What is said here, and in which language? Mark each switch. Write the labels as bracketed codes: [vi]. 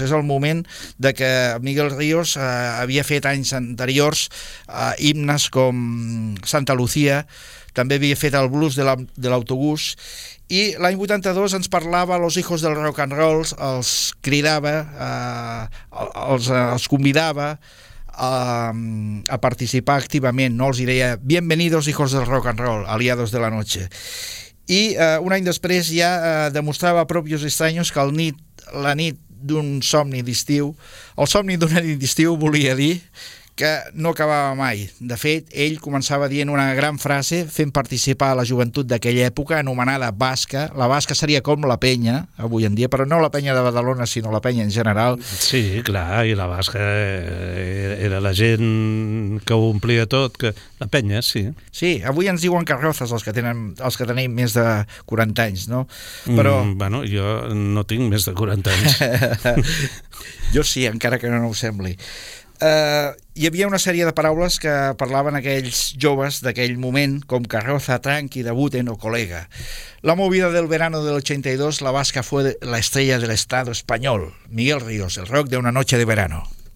[ca] És el moment de que Miguel Ríos havia fet anys anteriors himnes com Santa Lucía, també havia fet el blues de l'autobús, i l'any 82 ens parlava Los Hijos del Rock and Roll, els cridava, els convidava a participar activament, no? Els deia [es] bienvenidos hijos del rock and roll, aliados de la noche. [ca] I un any després ja demostrava a propios extraños que la nit d'un somni d'estiu, el somni d'una nit d'estiu, volia dir que no acabava mai. De fet, ell començava dient una gran frase, fent participar a la joventut d'aquella època, anomenada basca. La basca seria com la penya avui en dia, però no la penya de Badalona, sinó la penya en general. Sí, clar, i la basca era la gent que ho omplia tot, que la penya, sí. Sí, avui ens diuen carrozes els que tenim més de 40 anys, no? Però... bueno, jo no tinc més de 40 anys. Jo sí, encara que no ho sembli. Hi havia una sèrie de paraules que parlaven aquells joves d'aquell moment, com carroza, tranqui, debuten o colega. [es] La movida del verano del 82, la basca fue la estrella del estado español. Miguel Ríos, el rock de una noche de verano.